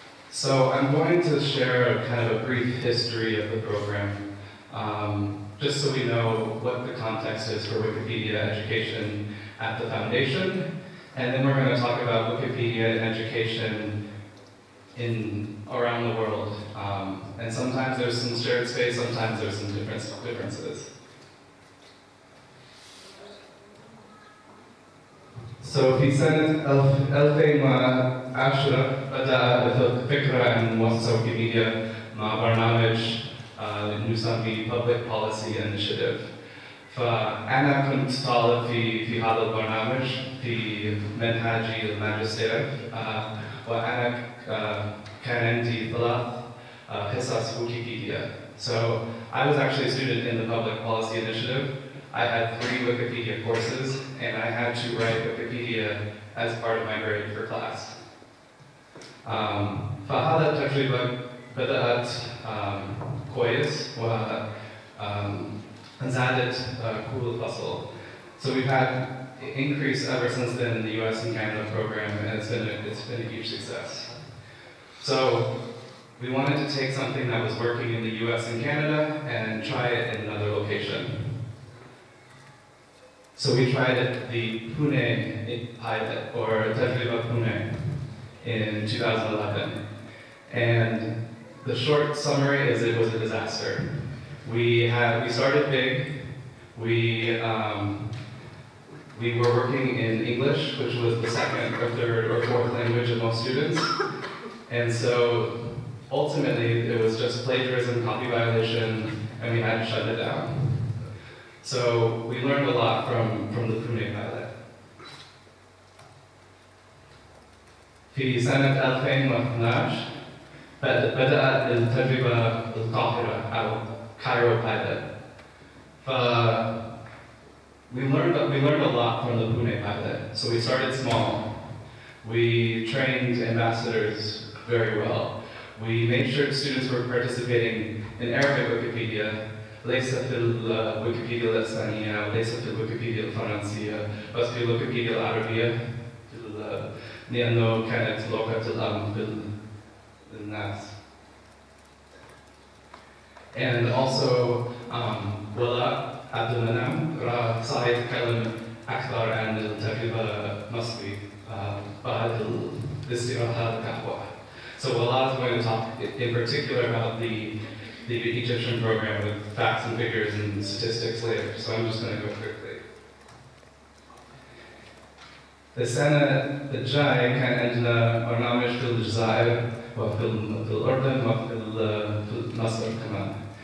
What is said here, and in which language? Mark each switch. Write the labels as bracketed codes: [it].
[en] So I'm going to share a kind of a brief history of the program, just so we know what the context is for Wikipedia education at the foundation, and then we're going to talk about Wikipedia and education in around the world. And sometimes there's some shared space, sometimes there's some differences. [ar] So في سنة 2010 بدأ الفكرة عن مؤسسة ويكيبيديا مع برنامج نسمي Public Policy Initiative. فأنا كنت طالب في هذا البرنامج في منهاجي الماجستير وأنا كان عندي ثلاث حصص ويكيبيديا. [en] So I was actually a student in the public policy initiative. I had three Wikipedia courses, and I had to write Wikipedia as part of my grade for class. [ar] فهذا تقريبا بدأت كويس و زادت كل الفصل. [en] So we've had increase ever since then in the US and Canada program, and it's been a huge success. So we wanted to take something that was working in the US and Canada and try it in another location. So we tried it, the Pune pilot, or Tighe Pune, in 2011. And the short summary is it was a disaster. We started big. We were working in English, which was the second or third or fourth language of most students. And so ultimately, it was just plagiarism, copy violation, and we had to shut it down. So we learned a lot from the Pune pilot. [ar] في سنة 2012 بدأت التجربة بالقاهرة أو [en] Cairo pilot. We learned a lot from the Pune pilot. So we started small. We trained ambassadors very well. We made sure students were participating in Arabic Wikipedia. [ar] ليس في الويكيبيديا الإسبانية وليس في الويكيبيديا الفرنسية بس في الويكيبيديا العربية لأنه كانت لغة الأم للناس. [en] And also, [ar] ولا عبد المنعم صار يتكلم أكثر عن التجربة المصري بعد الاستراحات القهوة. [en] So Wallah is going to talk in particular about the Egyptian program with facts and figures and statistics later, so I'm just going to go quickly. The Sana, the Jai, can end in the Ornamish, the Jazair, or the Urdan, or the Masr Kaman.